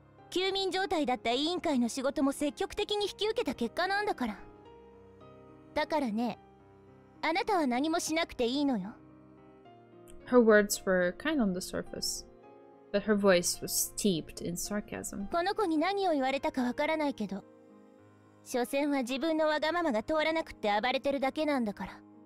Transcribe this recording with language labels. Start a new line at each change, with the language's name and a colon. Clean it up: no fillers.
Japanese: 休眠状態だった委員会の仕事も積極的に引き受けた結果なんだから。
English: Her words were kind on the surface, but her voice was steeped in sarcasm.
Japanese: この子に何を言われたかわからないけど所詮は自分のわがままが通らなくて暴れてるだけなんだから。